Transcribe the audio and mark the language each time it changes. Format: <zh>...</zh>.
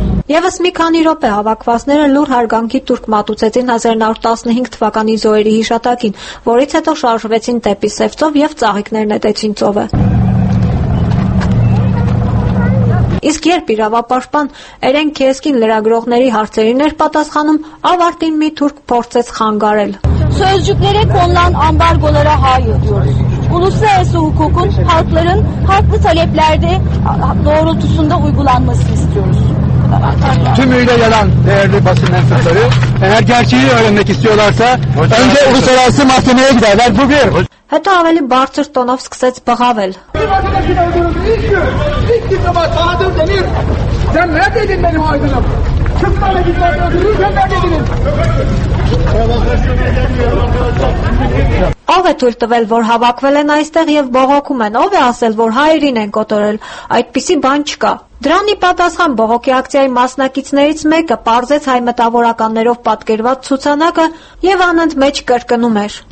<hy>Եվս մի քանի րոպե հավաքվածները լուր հարգանքի տուրք մատուցեցին 1915 թվականի զոհերի հիշատակին, որից հետո շարժվեցին դեպի Սևծով եւ ծաղիկներ նետեցին ծովը։ Իսկ երբ իրավապաշտպան Էրեն Քեսկին լրագրողների հարցերին էր պատասխանում, ավարտին մի թուրք փորձեց խանգարել.</hy> <tr>Sözcüklere konulan ambargolara hayır diyoruz. Uluslararası hukukun halkların haklı taleplerde doğrultusunda uygulanmasını istiyoruz. Tümüyle yalan değerli basın mensupları. Eğer gerçeği öğrenmek istiyorlarsa önce uluslararası mahkemeye giderler. Bu bir.</tr> <hy>Հետո ավելի բարձր տոնով սկսեց բղավել։ Ո՞վ է թույլ տվել, որ հավաքվել են այստեղ եւ բողոքում են, ո՞վ է ասել, որ հայերին են կոտորել, այդպիսի բան չկա։ Դրանի պատասխան բողոքի ակցիայի մասնակիցներից մեկը պարզեց հայ մտավորականներով պատկերված ցուցանակը եւ անընդ մեջ կրկնում էր.</hy>